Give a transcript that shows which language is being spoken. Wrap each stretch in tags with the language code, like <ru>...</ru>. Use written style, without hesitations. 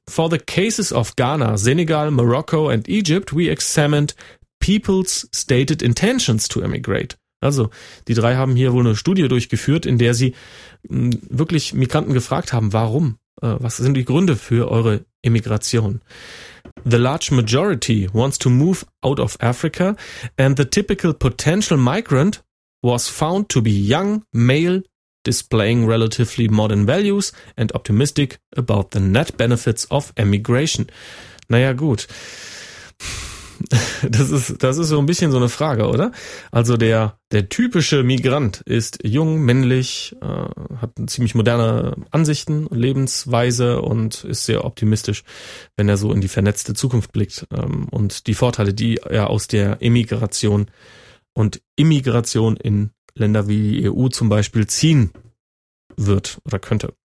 <en>For the cases of Ghana, Senegal, Morocco and Egypt, we examined people's stated intentions to emigrate.</en> <de>Also, die drei haben hier wohl eine Studie durchgeführt, in der sie wirklich Migranten gefragt haben, warum? Was sind die Gründe für eure Emigration?</de> <en>The large majority wants to move out of Africa and the typical potential migrant was found to be young, male, displaying relatively modern values and optimistic about the net benefits of emigration.</en> <de>Naja, gut. Das ist so ein bisschen so eine Frage, oder? Also der typische Migrant ist jung, männlich, hat eine ziemlich moderne Ansichten, Lebensweise und ist sehr optimistisch, wenn er so in die vernetzte Zukunft blickt und die Vorteile, die er aus der Emigration und Immigration in Länder wie die EU zum Beispiel ziehen wird oder könnte.</de>